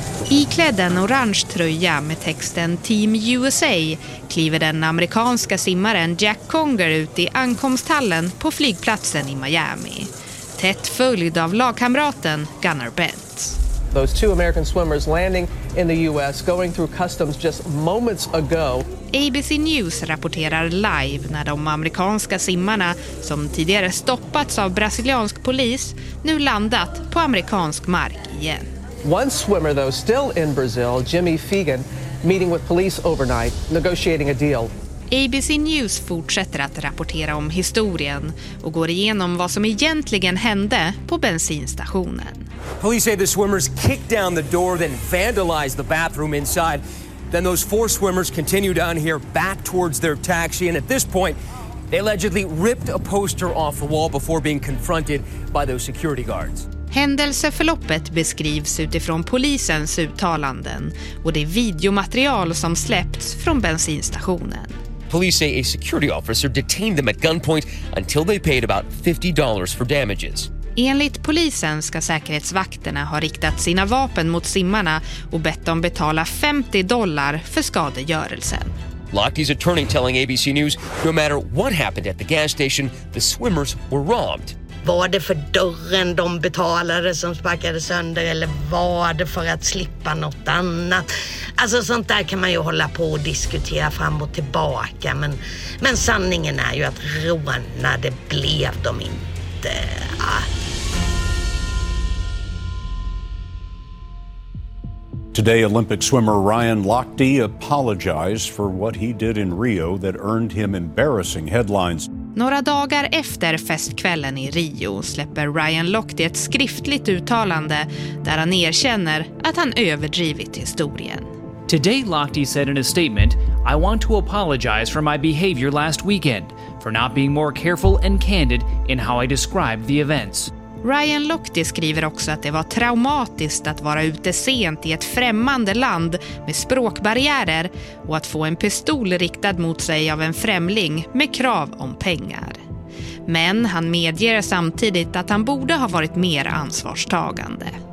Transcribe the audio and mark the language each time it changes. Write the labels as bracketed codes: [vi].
[sv] Iklädd en orange tröja med texten Team USA kliver den amerikanska simmaren Jack Conger ut i ankomsthallen på flygplatsen i Miami. Tätt följd av lagkamraten Gunnar Bent. [en] Those two American swimmers landing in the US going through customs just moments ago. [sv] ABC News rapporterar live när de amerikanska simmarna som tidigare stoppats av brasiliansk polis nu landat på amerikansk mark igen. [en] One swimmer though still in Brazil, Jimmy Feagan, meeting with police overnight, negotiating a deal. [sv] ABC News fortsätter att rapportera om historien och går igenom vad som egentligen hände på bensinstationen. [en] Police say the swimmers kicked down the door, then vandalized the bathroom inside. Then those four swimmers continue down here back towards their taxi, and at this point they allegedly ripped a poster off the wall before being confronted by those security guards. [sv] Händelseförloppet beskrivs utifrån polisens uttalanden och det videomaterial som släppts från bensinstationen. [en] Police say a security officer detained them at gunpoint until they paid about $50 for damages. [sv] Enligt polisen ska säkerhetsvakterna ha riktat sina vapen mot simmarna och bett dem betala $50 för skadegörelsen. [en] Lochte's attorney telling ABC News, no matter what happened at the gas station, the swimmers were robbed. [sv] Var det för dörren de betalade som sparkade sönder, eller var det för att slippa något annat? Alltså sånt där kan man ju hålla på och diskutera fram och tillbaka. Men sanningen är ju att rånade blev de inte. [en] Today, Olympic swimmer Ryan Lochte apologized for what he did in Rio that earned him embarrassing headlines. [sv] Några dagar efter festkvällen i Rio släpper Ryan Lochte ett skriftligt uttalande där han erkänner att han överdrivit historien. [en] Today, Lochte said in a statement, "I want to apologize for my behavior last weekend, for not being more careful and candid in how I described the events." [sv] Ryan Lochte skriver också att det var traumatiskt att vara ute sent i ett främmande land med språkbarriärer och att få en pistol riktad mot sig av en främling med krav om pengar. Men han medger samtidigt att han borde ha varit mer ansvarstagande.